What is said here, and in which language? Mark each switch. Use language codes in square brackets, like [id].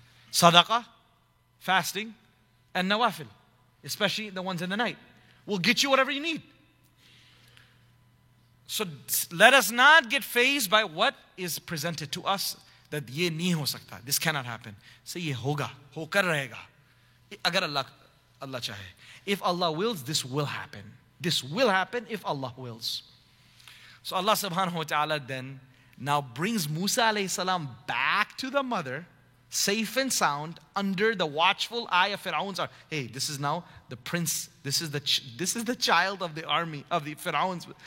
[en] Sadaqah, fasting, and nawafil, especially the ones in the night, will get you whatever you need. So let us not get fazed by what is presented to us that [ur] ye nahi ho sakta. [en] This cannot happen. Say [ur] یہ ہوگا، ہوکر رہے گا۔ اگر اللہ چاہے۔ [en] If Allah wills, this will happen. This will happen if Allah wills. So Allah subhanahu wa ta'ala then now brings Musa alayhi salam back to the mother, safe and sound, under the watchful eye of Fir'aun's arm. Hey, this is now the prince. This is the child of the army, of the Fir'aun's.